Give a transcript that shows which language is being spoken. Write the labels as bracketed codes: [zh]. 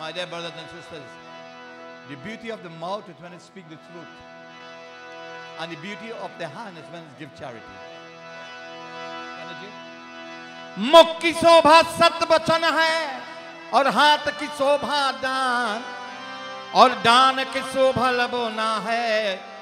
[en] brothers and sisters, the beauty of the mouth is when it speaks the truth. And the beauty of the hand is when it gives charity. [hi] मुख की शोभा सत्य वचन है और हाथ की शोभा दान और दान की शोभा लबोना है